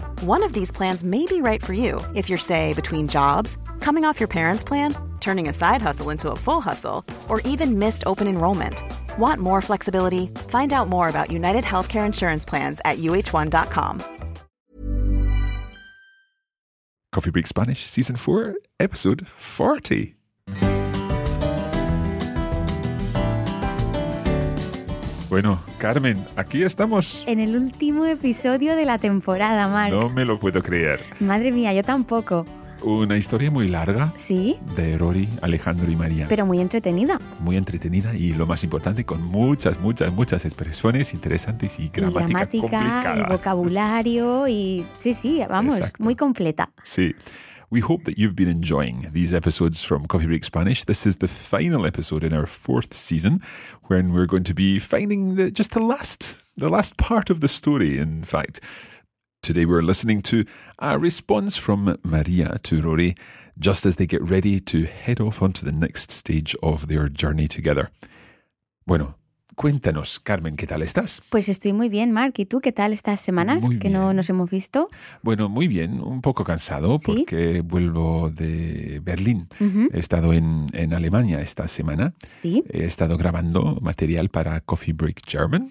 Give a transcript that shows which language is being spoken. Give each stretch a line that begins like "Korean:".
English: One of these plans may be right for you if you're, say, between jobs, coming off your parents' plan, turning a side hustle into a full hustle, or even missed open enrollment. Want more flexibility? Find out more about United Healthcare Insurance Plans at uh1.com. Coffee Break Spanish, Season 4, Episode 40.
Spanish: Bueno, Carmen, aquí estamos. En el último episodio de la temporada, Mark. No me lo puedo creer. Madre mía, yo tampoco. Una historia muy larga. Sí. De Rory, Alejandro y María. Pero muy entretenida. Muy entretenida y, lo más importante, con muchas, muchas, muchas expresiones interesantes y gramática complicada. Y vocabulario y... Sí, sí, vamos, exacto. Muy completa. Sí.
English: We hope that you've been enjoying these episodes from Coffee Break Spanish. This is the final episode in our fourth season, when we're going to be finding the last part of the story, in fact. Today we're listening to a response from Maria to Rory, just as they get ready to head off onto the next stage of their journey together.
Spanish: Bueno, cuéntanos, Carmen, ¿qué tal estás? Pues estoy muy bien, Mark. ¿Y tú qué tal estas semanas que no nos hemos visto? Bueno, muy bien. Un poco cansado porque ¿sí? vuelvo de Berlín. Uh-huh. He estado en Alemania esta semana. Sí. He estado grabando material para Coffee Break German.